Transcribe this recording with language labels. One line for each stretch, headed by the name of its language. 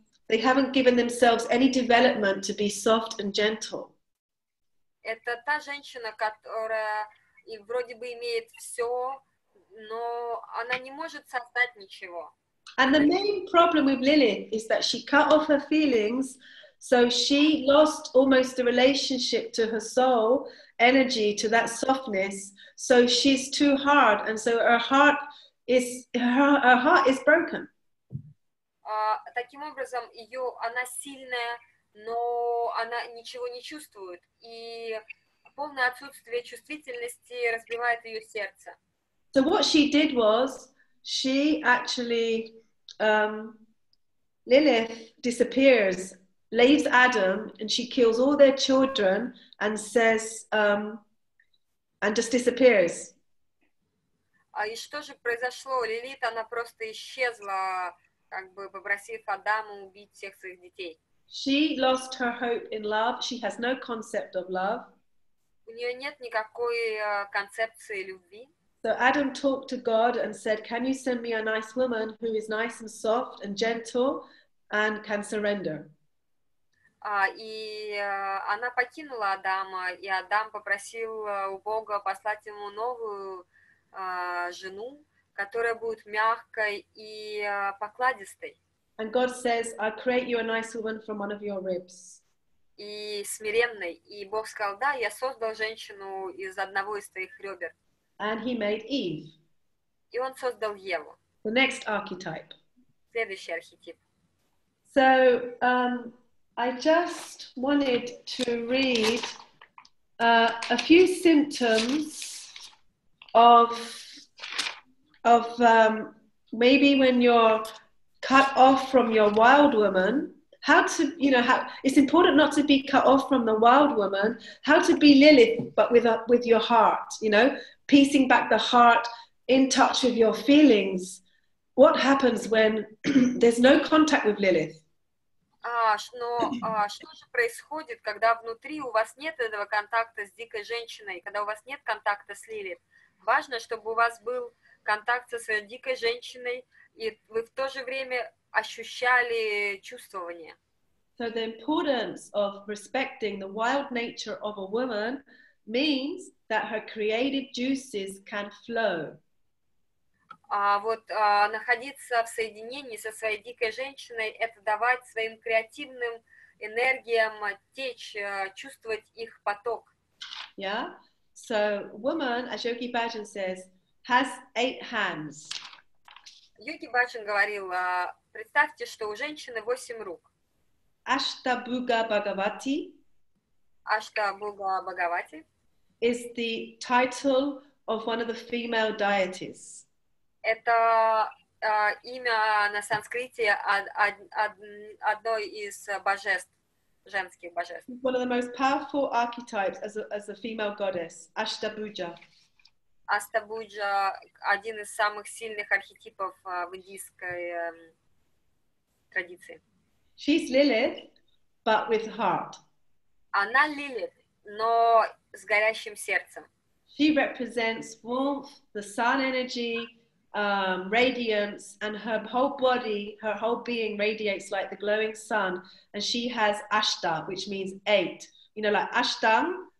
English: They haven't given themselves any development to be soft and gentle.
Russian: Это та женщина, которая и вроде бы имеет все, но она не может создать ничего.
English: And the main problem with Lilith is that she cut off her feelings, so she lost almost the relationship to her soul, energy, to that softness, so she's too hard, and so her heart is broken.
Russian: Таким образом, она сильная, но она ничего не чувствует, и полное отсутствие чувствительности разбивает ее сердце.
English: So what she did was, she actually... Lilith disappears, leaves Adam, and she kills all their children and says, and just disappears.
Russian: И что же произошло? Лилит, она просто исчезла, как бы попросив Адама убить всех своих детей.
English: She lost her hope in love. She has no concept of love.
Russian: У нее нет никакой концепции любви.
English: So Adam talked to God and said, can you send me a nice woman who is nice and soft and gentle and can surrender?
Russian: Она покинула Адама, и Адам попросил у Бога послать ему новую жену, которая будет мягкой и покладистой.
English: And God says, I'll create you a nice woman from one of your ribs.
Russian: И смиренной. И Бог сказал, да, я создал женщину из одного из твоих ребер.
English: And he made Eve.
Russian: И он создал Еву.
English: The next archetype.
Russian: Следующий архетип.
English: So I just wanted to read a few symptoms of maybe when you're cut off from your wild woman. It's important not to be cut off from the wild woman. How to be Lilith, but with your heart, you know, piecing back the heart in touch with your feelings. What happens when there's no contact with Lilith?
Russian: Что же происходит, когда внутри у вас нет этого контакта с дикой женщиной, когда у вас нет контакта с Лилит? Важно, чтобы у вас был контакт со своей дикой женщиной, и вы в то же время ощущали чувствование.
English: So the importance of respecting the wild nature of a woman means that her creative juices can flow.
Russian: Находиться в соединении со своей дикой женщиной — это давать своим креативным энергиям течь, чувствовать их поток.
English: Yeah? So woman, as Yogi Bhajan says, has eight hands.
Russian: Йоги Баджан говорил, представьте, что у женщины 8 рук. Аштабуга Бхагавати. Аштабуга Бхагавати.
English: Is the title of one of the female deities.
Russian: Это имя на санскрите одной из божеств, женских божеств.
English: One of the most powerful archetypes as a female goddess, Аштабуджа.
Russian: Астабуджа — один из самых сильных архетипов в индийской традиции.
English: She's Lilith, but with heart.
Russian: Она Лилит, но с горящим сердцем.
English: She represents warmth, the sun energy, radiance, and her whole body, her whole being radiates like the glowing sun. And she has Ashta, which means eight. You know, like Ashtang,